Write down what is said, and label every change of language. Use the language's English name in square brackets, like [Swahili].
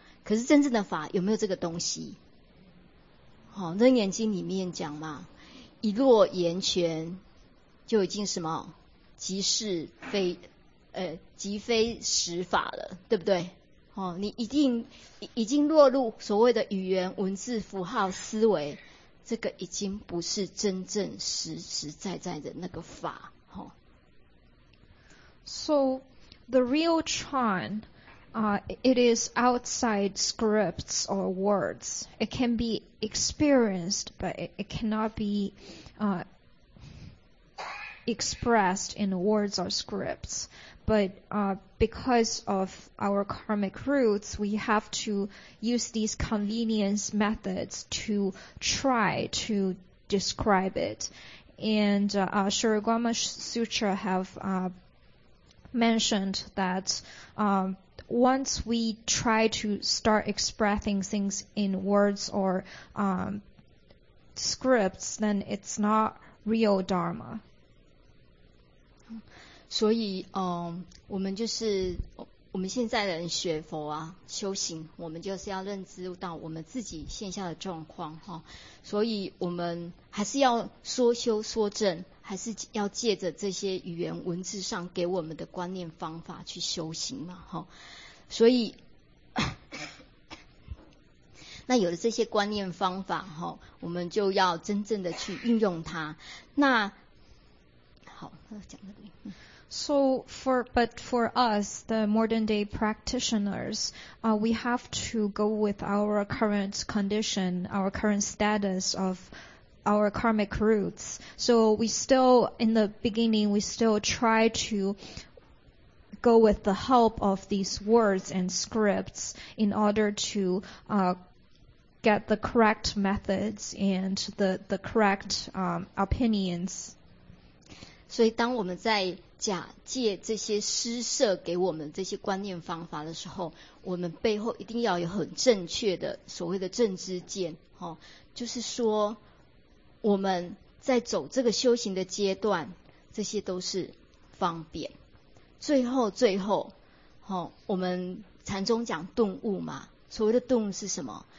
[Chinese] 可是真正的法有没有这个东西？好、哦，《楞严经》里面讲嘛，一落言权就已经什么即是非，即非实法了，对不对？哦，你一定已经落入所谓的语言、文字、符号、思维，这个已经不是真正实实在在的那个法。哦、 [English] So the real chan, it is outside scripts or words. It can be experienced, but it cannot be expressed in words or scripts. But because of our karmic roots, we have to use these convenience methods to try to describe it. And Shri Guama Sutra have mentioned that once we try to start expressing things in words or scripts, then it's not real Dharma. [Chinese] 所以我们就是我们现在的人学佛啊修行，我们就是要认知到我们自己现下的状况、哦、所以我们还是要说修说证，还是要借着这些语言文字上给我们的观念方法去修行嘛、哦、所以那有了这些观念方法、哦、我们就要真正的去运用它。那好，那讲这边。 [English] So for us, the modern day practitioners, we have to go with our current condition, our current status of our karmic roots. So we still, in the beginning, we still try to go with the help of these words and scripts in order to, get the correct methods and the correct, opinions. [Chinese] 所以当我们在假借这些施设给我们这些观念方法的时候，我们背后一定要有很正确的所谓的正知见、哦、就是说我们在走这个修行的阶段，这些都是方便，最后、哦、我们禅宗讲顿悟嘛，所谓的顿悟是什么？